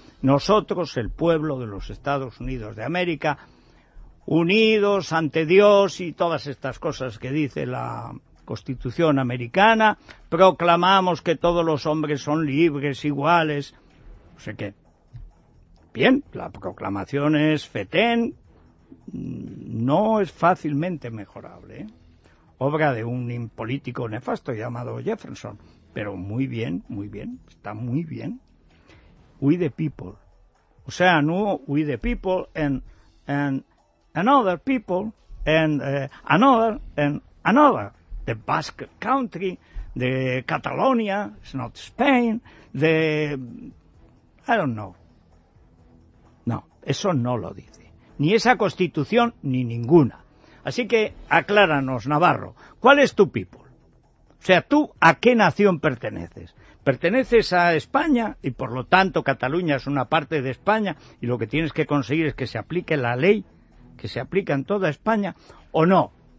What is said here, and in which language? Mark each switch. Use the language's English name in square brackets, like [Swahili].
[Spanish] Nosotros, el pueblo de los Estados Unidos de América, unidos ante Dios y todas estas cosas que dice la Constitución americana, proclamamos que todos los hombres son libres, iguales, no sé qué. Bien, la proclamación es fetén. No es fácilmente mejorable, ¿eh? Obra de un político nefasto llamado Jefferson, pero muy bien, muy bien, está muy bien. [English] We the people, [Spanish] o sea, [English] no we the people and another people and another the Basque Country, the Catalonia, it's not Spain, the I don't know. [Spanish] No, eso no lo dice. Ni esa constitución, ni ninguna. Así que acláranos, Navarro, ¿cuál es tu people? O sea, ¿tú a qué nación perteneces? ¿Perteneces a España? Y por lo tanto Cataluña es una parte de España y lo que tienes que conseguir es que se aplique la ley, que se aplica en toda España, ¿o no?